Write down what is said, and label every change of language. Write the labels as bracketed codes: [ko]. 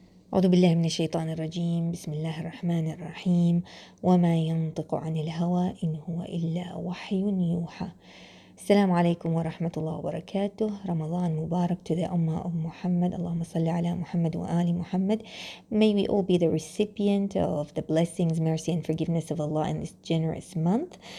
[ar] أعوذ بالله من الشيطان الرجيم، بسم الله الرحمن الرحيم، وما ينطق عن الهوى إن هو إلا وحي يوحى. السلام عليكم ورحمة الله وبركاته. رمضان مبارك [en] to the Ummah of Muhammad. [ar] اللهم صل على محمد وآل محمد. [en] May we all be the recipient of the blessings, mercy and forgiveness of Allah in this generous month.